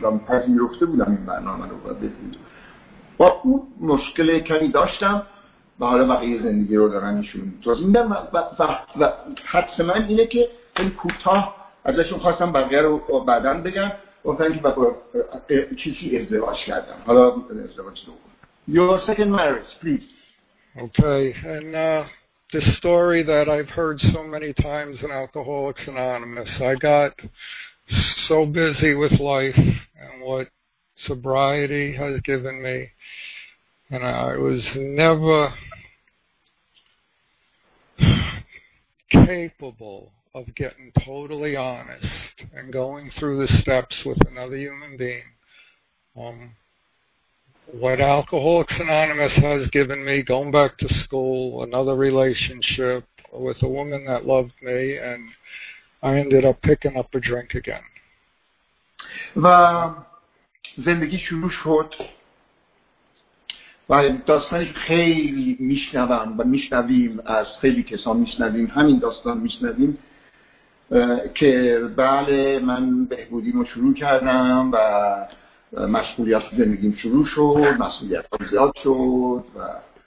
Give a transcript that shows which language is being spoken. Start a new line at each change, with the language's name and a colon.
Persian: من پذیرفته بودم این برنامه رو با اون مشکل کمی داشتم و حالا بقیه زندگی رو دارم نشون میدم. و حدث من اینه که خیلی کوتاه ازشون خواستم بقیه رو بعدا بگم، گفتن که با کسی ازدواج کردم. حالا میتونه ازدواج دو کنم.
English: Your second marriage, please. Okay, and the story that I've heard so many times in Alcoholics Anonymous, I got so busy with life and what sobriety has given me, and I was never capable of getting totally honest and going through the steps with another human being. What Alcoholics Anonymous has given me, going back to school, another relationship with a woman that loved me, and I ended up picking up a drink again.
Persian: و زندگی شروع شد و داستانی خیلی میشنوم و میشنویم از خیلی کسان میشنویم همین داستان میشنویم که بله من بهبودیمو شروع کردم و مسئولیت زندگیم شروع شد، مسئولیت هم زیاد شد و